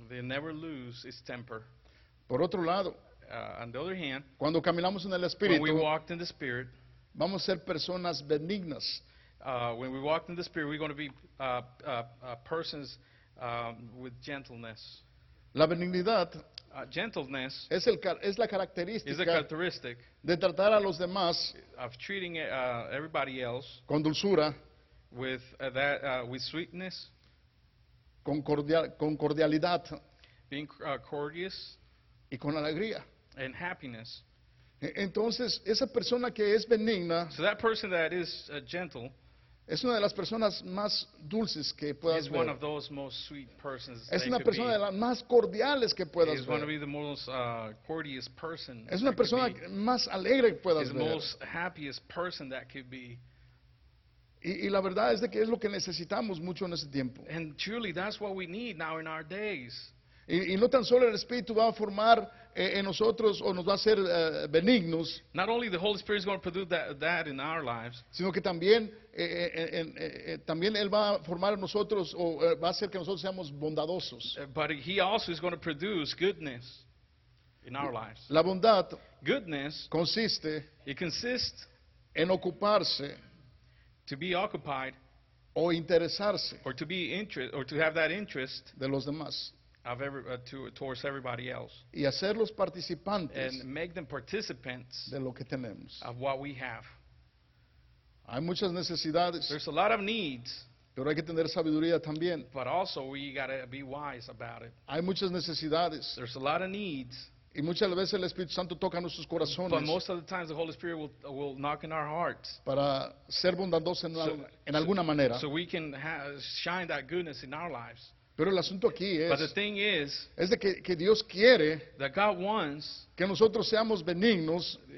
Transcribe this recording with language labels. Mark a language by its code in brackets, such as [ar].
[en] They never lose its temper. [es] Por otro lado, [en] on the other hand, [es] cuando caminamos en el Espíritu, [en] when we walked in the Spirit, [es] vamos a ser personas benignas. [en] When we walked in the Spirit, we're going to be persons with gentleness. [es] La benignidad, [en] gentleness, [es] es la característica de tratar a los demás, [en] of treating everybody else, [es] con dulzura, [en] with sweetness, [es] con cordialidad, [en] being courteous, [es] y con alegría, [en] and happiness. [es] Entonces, esa persona que es benigna, [en] so that person that is gentle, [es] es una de las personas más dulces que puedas ver. [en] Is one of those most sweet persons. [es] Es una persona de las más cordiales que puedas ver. [en] Is one of the most courteous person. [es] Es una persona más alegre que puedas ver. [en] Is the most happiest person that could be. [es] Y la verdad es de que es lo que necesitamos mucho en ese tiempo. [en] And truly, that's what we need now in our days. [es] Y no tan solo el Espíritu va a formar en nosotros o nos va a hacer benignos. [en] Not only the Holy Spirit is going to produce that in our lives. [es] Sino que también Él va a formar en nosotros o va a hacer que nosotros seamos bondadosos. [en] But He also is going to produce goodness in our lives. [es] La bondad, [en] goodness, [es] consiste, [en] it consists, [es] en ocuparse, [en] to be occupied, [es] o interesarse, [en] or to be interested, or to have that interest, [es] de los demás. [en] Of towards everybody else, [es] y hacerlos participantes, [en] and make them participants, [es] de lo que tenemos, [en] of what we have. [es] Hay muchas necesidades, [en] there's a lot of needs, [es] pero hay que tener sabiduría también, [en] but also we gotta be wise about it. [es] Hay muchas necesidades, [en] there's a lot of needs, [es] y muchas veces el Espíritu Santo toca nuestros corazones, [en] but most of the times the Holy Spirit will knock in our hearts, [es] para ser bondadosos en alguna manera, [en] so we can shine that goodness in our lives. [es] Pero el asunto aquí es de que Dios quiere, [en] that God wants, [es] que nosotros seamos benignos,